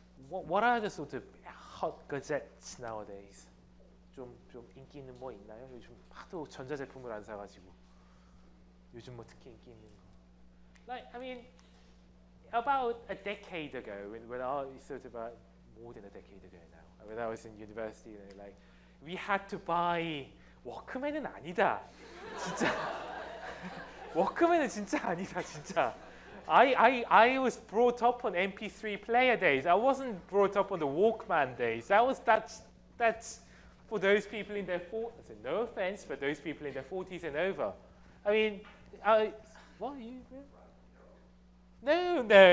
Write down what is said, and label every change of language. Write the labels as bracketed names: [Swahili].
[English] What are the sort of hot gadgets nowadays? [Korean] 좀 인기 있는 뭐 있나요? 요즘 하도 전자 제품을 안 사가지고 요즘 뭐 특히 인기 있는 거. [English] Like, I mean, about a decade ago, when I was sort of more than a decade ago now, when I was in university, you know, like we had to buy [Korean] Walkman은 아니다. 진짜 Walkman은 진짜 아니다, 진짜. [English] I was brought up on MP3 player days. I wasn't brought up on the Walkman days. That's for those people in their 40s. No offense, but those people in their 40s and over. I mean, what are you? No.